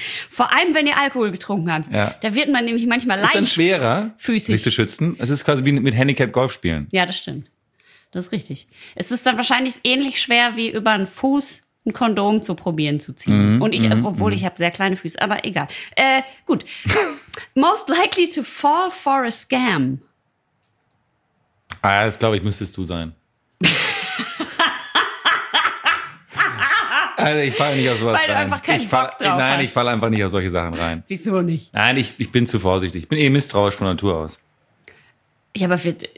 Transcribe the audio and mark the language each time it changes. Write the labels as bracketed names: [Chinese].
[German] Vor allem, wenn ihr Alkohol getrunken habt. Ja. Da wird man nämlich manchmal leicht. Ist dann schwerer, füßig. Sich zu schützen. Es ist quasi wie mit Handicap Golf spielen. Ja, das stimmt. Das ist richtig. Es ist dann wahrscheinlich ähnlich schwer, wie über einen Fuß ein Kondom zu probieren zu ziehen. Mhm. Und ich, obwohl ich habe sehr kleine Füße, aber egal. Gut. [English] Most likely to fall for a scam. [German] Ah, das glaube ich, müsstest du sein. Also ich falle nicht auf sowas rein. Weil du rein. Einfach keinen Bock drauf hast. Nein, ich falle einfach nicht auf solche Sachen rein. Wieso nicht? Nein, ich bin zu vorsichtig. Ich bin eh misstrauisch von Natur aus. Ja, aber für,